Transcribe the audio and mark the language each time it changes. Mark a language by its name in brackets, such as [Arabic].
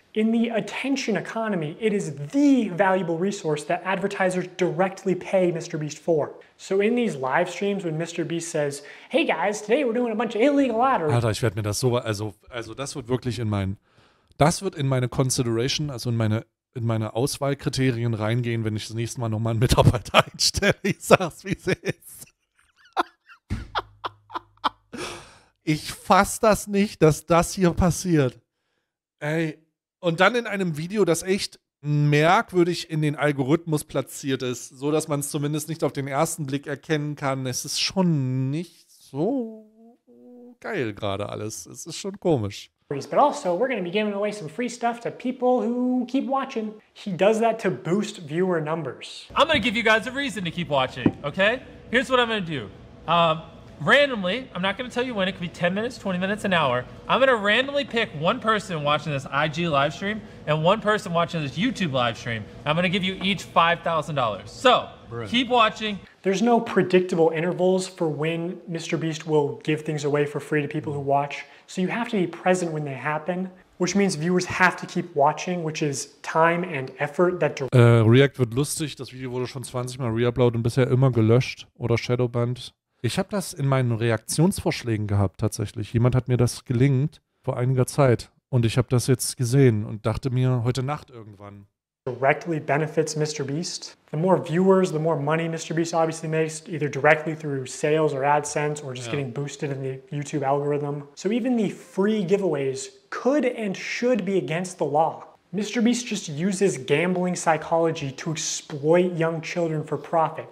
[English] In the attention economy, it is the valuable resource that advertisers directly pay MrBeast for. So in these live streams, when MrBeast says, hey guys, today we're doing a bunch of illegal lottery. [German] Alter, ich werde mir das so, also das wird wirklich in mein, das wird in meine consideration, also in meine Auswahlkriterien reingehen, wenn ich das nächste Mal nochmal einen Mitarbeiter einstelle. Ich sag's, wie es ist. Ich fass das nicht, dass das hier passiert. Ey, und dann in einem Video, das echt merkwürdig in den Algorithmus platziert ist, so dass man es zumindest nicht auf den ersten Blick erkennen kann. Es ist schon nicht so geil gerade alles. Es ist schon komisch. [English] But also, we're going to be giving away some free stuff to people who keep watching. He does that to boost viewer numbers. I'm going to give you guys a reason to keep watching, okay? Here's what I'm going to do. Randomly, I'm not going to tell you when, it could be 10 minutes, 20 minutes, an hour. I'm going to randomly pick one person watching this IG live stream and one person watching this YouTube live stream. I'm going to give you each $5,000. So, Brilliant. Keep watching. There's no predictable intervals for when MrBeast will give things away for free to people who watch. So you have to be present when they happen, which means viewers have to keep watching, which is time and effort that... [German] React wird lustig. Das Video wurde schon 20 Mal re-uploaded und bisher immer gelöscht oder shadowbanned. Ich habe das in meinen Reaktionsvorschlägen gehabt, tatsächlich. Jemand hat mir das gelinkt vor einiger Zeit und ich habe das jetzt gesehen und dachte mir heute Nacht irgendwann. [English] Directly benefits MrBeast. The more viewers, the more money MrBeast obviously makes, either directly through sales or AdSense or just getting boosted in the YouTube algorithm. So even the free giveaways could and should be against the law. MrBeast just uses gambling psychology to exploit young children for profit.